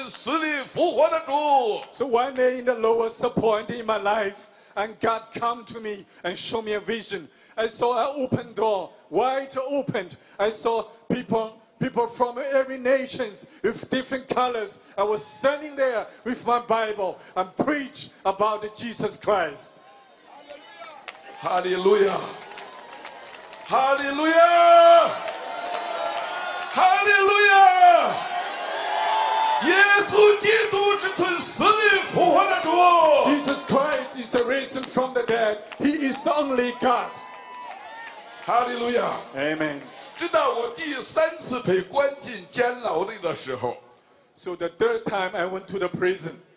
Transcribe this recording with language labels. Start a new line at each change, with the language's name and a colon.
Chinese: 可是突然之间，一个异象出现在我的面前，我会看见一个门开了，而且那个门越开越大。我看到我拿着一本圣经，在不同肤色、不同语言的人中间喊叫：“耶稣基督是主，耶稣基督是从死里复活的主。”
English: So one day in the lowest point in my life, and God come to me and show me a vision. I saw an open door, wide opened. I saw people from every nations with different colors. I was standing there with my Bible and preach about Jesus Christ. Hallelujah. Hallelujah. Hallelujah.
Chinese: 耶稣基督是从死里复活的主。
English: Jesus Christ is risen from the dead. He is the only God. Hallelujah. Amen.
Chinese: 直到我第三次被关进监牢里的时候，
English: So the third time I went to the prison,